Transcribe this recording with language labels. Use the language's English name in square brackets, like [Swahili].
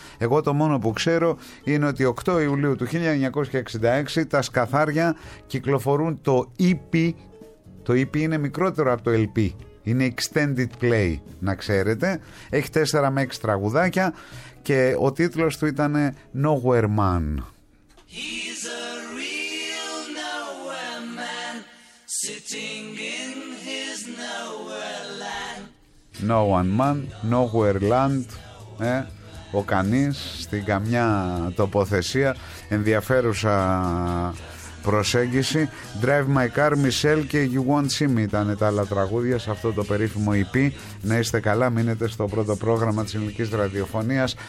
[Greek] Εγώ το μόνο που ξέρω είναι ότι 8 Ιουλίου του 1966 τα σκαθάρια κυκλοφορούν το EP. Το EP είναι μικρότερο από το LP. Είναι extended play, να ξέρετε. Έχει 4 με 6 τραγουδάκια και ο τίτλος του ήταν Nowhere Man. [English] He's a real nowhere man, sitting in his nowhere land. No one man, nowhere land, [Greek] ο κανείς, στην καμιά τοποθεσία, ενδιαφέρουσα προσέγγιση. Drive My Car, Michelle και You Won't See Me ήταν τα άλλα τραγούδια σε αυτό το περίφημο EP. Να είστε καλά, μείνετε στο πρώτο πρόγραμμα της ελληνικής ραδιοφωνίας.